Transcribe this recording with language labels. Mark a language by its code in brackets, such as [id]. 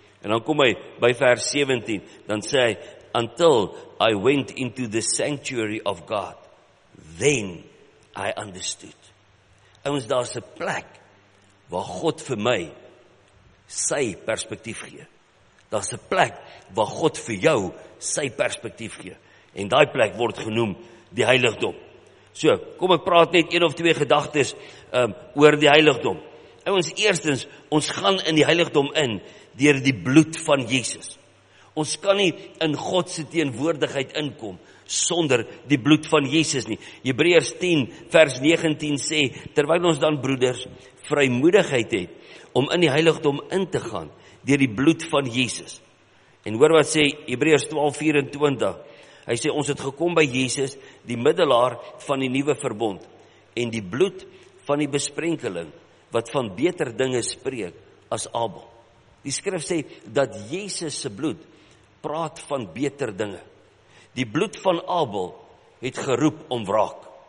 [af] En dan kom hy by vers 17, dan sê hy, [en] until I went into the sanctuary of God, then I understood. [af] Ons, daar is 'n plek waar God vir my sy perspektief gee. Daar is 'n plek waar God vir jou sy perspektief gee. En daai plek word genoem die heiligdom. So, kom ek praat net een of twee gedagtes oor die heiligdom. Ons, eerstens, ons gaan in die heiligdom in deur die bloed van Jesus. Ons kan nie in God se teenwoordigheid inkom sonder die bloed van Jesus nie. Hebreërs 10 vers 19 sê, terwyl ons dan broeders vrymoedigheid het om in die heiligdom in te gaan deur die bloed van Jesus. En hoor wat sê Hebreërs 12:24. Hy sê ons het gekom by Jesus, die middelaar van die nuwe verbond, en die bloed van die besprenkeling wat van beter dinge spreek as Abel. Die skrif sê dat Jesus se bloed praat van beter dinge. Die bloed van Abel het geroep om wraak.